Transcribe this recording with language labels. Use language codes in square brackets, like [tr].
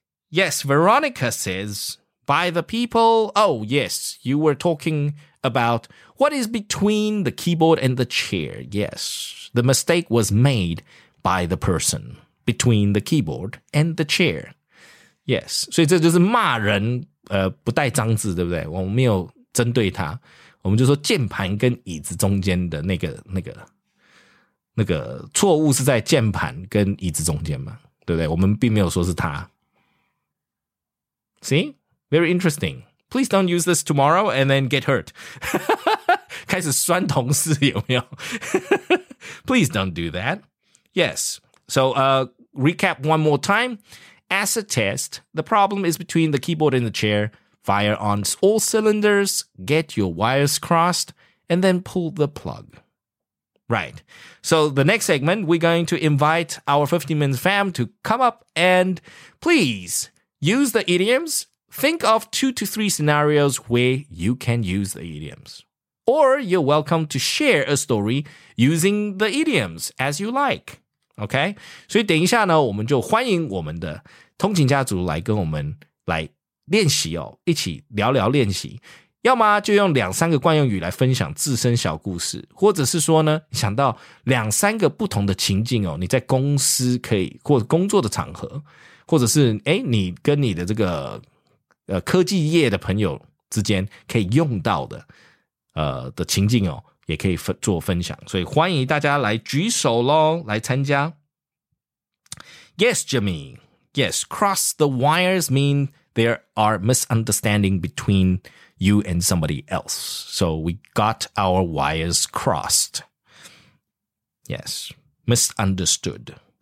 [en] Yes, Veronica says, by the people. Oh, yes, you were talking about what is between the keyboard and the chair. Yes, the mistake was made by the person between the keyboard and the chair. [zh] Yes, 所以这就是骂人不带脏字，对不对？我们没有针对他，我们就说键盘跟椅子中间的那个错误是在键盘跟椅子中间嘛，对不对？我们并没有说是他。 [en] See? Very interesting. Please don't use this tomorrow and then get hurt. [zh] 开始酸同事有没有 [en] Please don't do that. Yes. So, recap one more time. Acid test. The problem is between the keyboard and the chair. Fire on all cylinders. Get your wires crossed. And then pull the plug. Right. So the next segment, we're going to invite our 15 Minutes fam to come up and please use the idioms. Think of 2 to 3 scenarios where you can use the idioms. Or you're welcome to share a story using the idioms as you like. Okay? [zh] 所以等一下呢，我们就欢迎我们的通勤家族来跟我们来练习哦，一起聊聊练习。要么就用两三个惯用语来分享自身小故事，或者是说呢，想到两三个不同的情境哦，你在公司可以或者工作的场合，或者是哎，你跟你的这个科技业的朋友之间可以用到的的情境哦，也可以做分享。所以欢迎大家来举手咯，来参加。 [en] Yes, Jimmy. Yes, cross the wires mean there are misunderstanding between. You and somebody else. So we got our wires crossed. Yes. Misunderstood.